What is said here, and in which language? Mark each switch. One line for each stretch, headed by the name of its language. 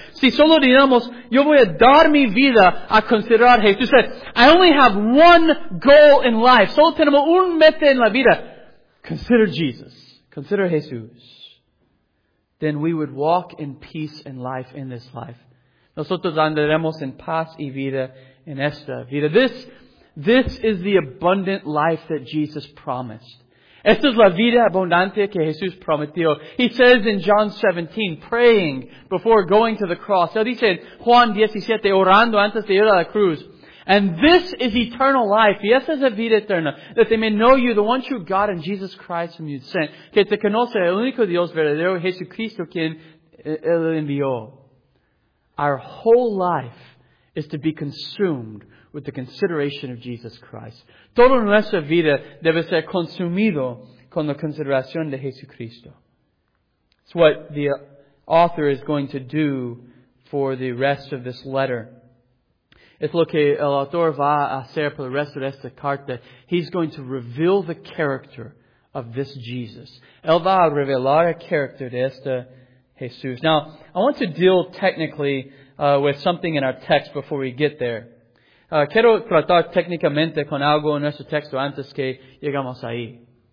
Spanish: Si solo digamos, yo voy a dar mi vida a considerar Jesús.
English: Said, I only have one goal in life.
Spanish: Solo tenemos un meta en la vida.
English: Consider Jesus. Consider Jesús. Then we would walk in peace and life in this life.
Spanish: Nosotros andaremos en paz y vida en esta vida.
English: This is the abundant life that Jesus promised.
Spanish: Esta es la vida abundante que Jesús prometió.
English: He says in John 17, praying before going to the cross.
Spanish: Él dice en Juan 17, orando antes de ir a la cruz.
English: And this is eternal life.
Spanish: Y esta es la vida eterna.
English: That they may know you, the one true God, and Jesus Christ whom you sent.
Spanish: Que te conoce el único Dios verdadero, Jesucristo, quien él envió.
English: Our whole life is to be consumed with the consideration of Jesus Christ.
Spanish: Toda nuestra vida debe ser consumido con la consideración de Jesucristo.
English: It's what the author is going to do for the rest of this letter.
Spanish: es lo que el autor va a hacer por el resto de esta carta.
English: He's going to reveal the character of this Jesus.
Spanish: Él va a revelar el carácter de este Jesús.
English: Now, I want to deal technically with something in our text before we get there.
Spanish: Quiero tratar técnicamente con algo en nuestro texto antes que llegamos ahí.